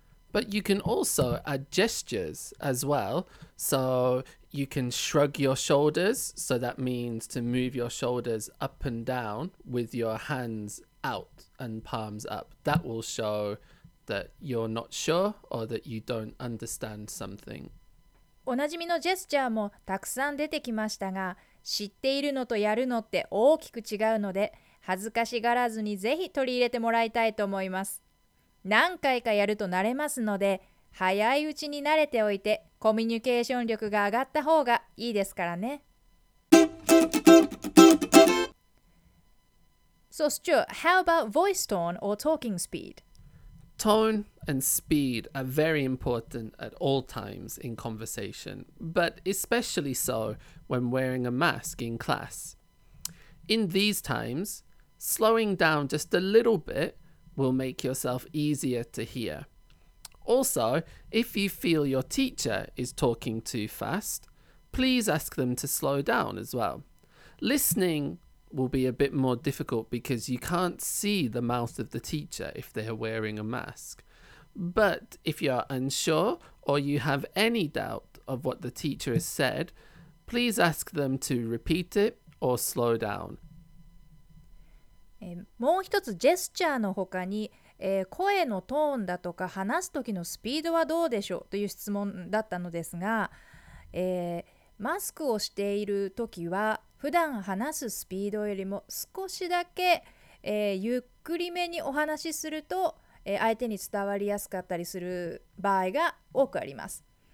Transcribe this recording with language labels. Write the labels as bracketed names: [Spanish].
[English] But you can also add gestures as well. So you can shrug your shoulders. So that means to move your shoulders up and down with your hands out and palms up. That will show that you're not sure or that you don't understand something. [Japanese] おなじみのジェスチャーもたくさん出てきましたが、知っているのとやるのって大きく違うので、恥ずかしがらずにぜひ取り入れてもらいたいと思います。何回かやると慣れますので、早いうちに慣れておいて、コミュニケーション力が上がった方がいいですからね。 [English] So Stuart, how about voice tone or talking speed? Tone and speed are very important at all times in conversation, but especially so when wearing a mask in class. In these times, slowing down just a little bit will make yourself easier to hear. Also, if you feel your teacher is talking too fast, please ask them to slow down as well. Listening will be a bit more difficult because you can't see the mouth of the teacher if they're wearing a mask. But if you're unsure or you have any doubt of what the teacher has said, please ask them to repeat it or slow down. [Japanese] もう一つジェスチャーの他に、声のトーンだとか話す時のスピードはどうでしょうという質問だったのですが、マスクをしている時は普段話すスピードよりも少しだけ、ゆっくりめにお話しすると、相手に伝わりやすかったりする場合が多くあります。